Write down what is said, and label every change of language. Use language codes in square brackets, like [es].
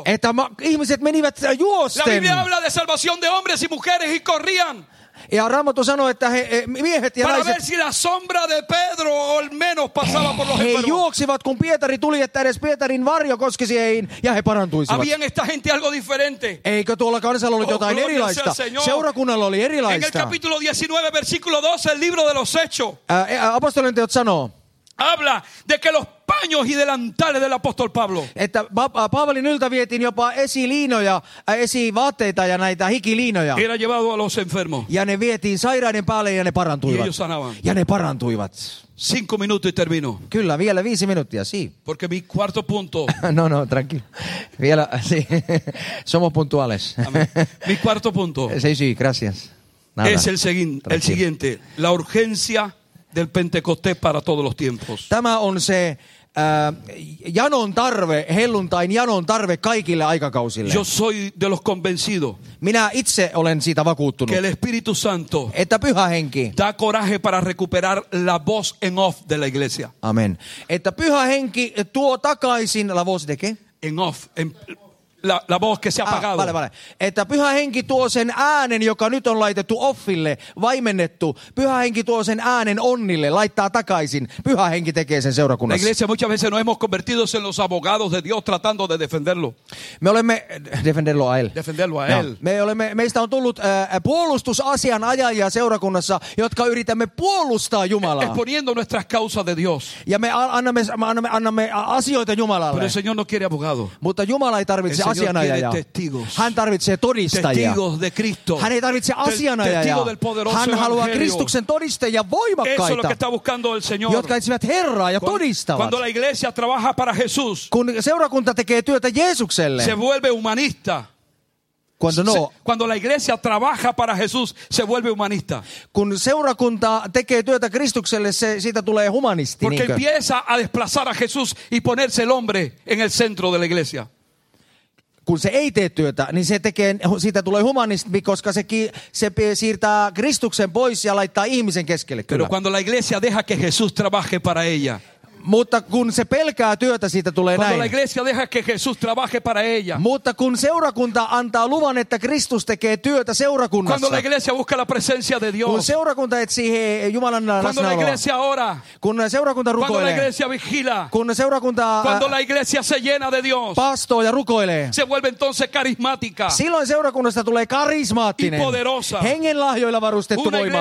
[fi] Että ihmiset menivät juosten. [es] La Biblia habla de salvación de hombres y mujeres y corrían. [fi] Ja Raamattu sanoi, että he miehet ja [es] para [fi] naiset [es] ver si la sombra de Pedro al menos pasaba por los enfermos. [fi] He juoksivat, kun Pietari tuli, että edes Pietarin varjo koskisi heihin, ja he parantuisivat. [es] Habían esta gente algo diferente. [fi] Eikö tuolla kansalla ollut jotain [es] gloria, [fi] erilaista? [es] Señor, [fi] seurakunnalla oli erilaista. [es] En el capítulo 19, versículo 12, el libro de los hechos. [fi] Apostolien teot sanoo. [es] Habla de que los paños y delantales del apóstol Pablo. [fi] Että Paavalin yltä vietiin jopa esiliinoja, esivaatteita ja näitä hikiliinoja. [es] Era llevado a los enfermos. [fi] Ja ne vietiin sairaiden päälle ja ne parantuivat. [es] Y ellos sanaban. [fi] Ja ne parantuivat. [es] Cinco minutos y termino. [fi] Kyllä, vielä 5 minuuttia, [es] sí. Porque mi cuarto punto. No, no, tranquilo. [fi] Vielä, [es] sí. Somos puntuales. Mi cuarto punto. Sí, sí, gracias. Nada. Es el siguiente. La urgencia del Pentecostés para todos los tiempos. [fi] Tämä on se janon tarve, helluntain janon tarve kaikille aikakausille. [es] Yo soy de los convencidos. [fi] Minä itse olen siitä vakuuttunut. [es] Que el Espíritu Santo. [fi] Että Pyhä Henki. [es] Da coraje para recuperar la voz en off de la iglesia. Amen. [fi] Että Pyhä Henki tuo takaisin [es] la voz de qué? En off, en la voz que se ha apagado. Vale, vale. [fi] Että Pyhä Henki tuo sen äänen, joka nyt on laitettu offille, vaimennettu. Pyhä Henki tuo sen äänen onnille, laittaa takaisin. Pyhä Henki tekee sen seurakunnassa. [es] La iglesia muchas veces nos hemos convertido en los abogados de Dios tratando de defenderlo. [fi] Me olemme [es] defenderlo a él. Defenderlo a él. [fi] Me olemme, meistä on tullut puolustusasianajajia seurakunnassa, jotka yritämme puolustaa Jumalaa. [es] Exponiendo nuestras causas de Dios. [fi] Ja me annamme asioita Jumalalle. [es] Pero el Señor no quiere abogado. [fi] Mutta Jumala ei tarvitse asianajaja. Hän tarvitsee todistajia. [es] De Cristo. [fi] Hän ei tarvitse asianajajaa. [es] Del poderoso [fi] Hän haluaa [es] evangelio. [fi] Kristuksen todistajia voimakkaita, [es] eso lo que está buscando el Señor. [fi] Jotka etsivät Herraa ja todistavat. [es] Cuando la iglesia trabaja para Jesús, [fi] kun seurakunta tekee työtä Jeesukselle, [es] se vuelve humanista. Cuando no, cuando la iglesia trabaja para Jesús, se vuelve humanista. [fi] Kun seurakunta tekee työtä Kristukselle, se siitä tulee humanisti. [es] Porque niinkö? Empieza a desplazar a Jesús y ponerse el hombre en el centro de la iglesia. [fi] Kun se ei tee työtä, niin se tekee, siitä tulee humanismi, koska se siirtää Kristuksen pois ja laittaa ihmisen keskelle. [es] Pero cuando la iglesia deja que Jesús trabaje para ella. [fi] Mutta kun se pelkää työtä, siitä tulee [es] cuando [fi] näin. [es] La iglesia deja que Jesús trabaje para ella. [fi] Mutta kun seurakunta antaa luvan, että Kristus tekee työtä seurakunnassa. [es] Cuando la iglesia busca la presencia de Dios. [fi] Kun seurakunta etsii Jumalan läsnäoloa. [es] Cuando la iglesia ora. [fi] Kun seurakunta rukoilee. [es] Cuando la iglesia vigila. [fi] Kun seurakunta [es] cuando la iglesia se llena de Dios. [fi] Pastoo ja rukoilee. [es] Se vuelve entonces carismática. [fi] Silloin seurakunnasta tulee karismaattinen. [es] Y poderosa. [fi] Hengenlahjoilla varustettu, voimallinen.